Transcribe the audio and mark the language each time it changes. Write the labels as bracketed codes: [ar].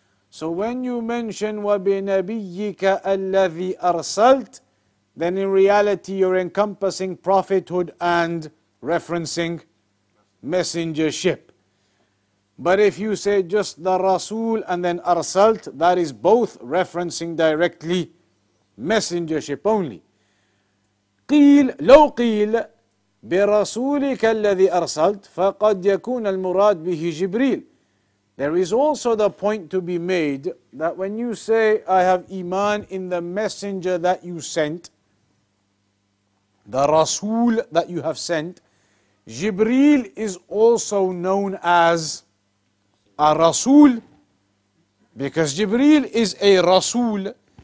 [en] So when you mention [ar] وَبِنَبِيِّكَ الَّذِي أَرْسَلْتَ, [en] then in reality you're encompassing prophethood and referencing messengership. But if you say just the Rasul and then Arsalt, that is both referencing directly messengership only. [ar] قيل لو قيل برسولك الذي أرسلت فقد يكون المراد به جبريل. [en] There is also the point to be made that when you say I have iman in the messenger that you sent, the Rasul that you have sent, Jibreel is also known as a Rasul, because Jibreel is a Rasul.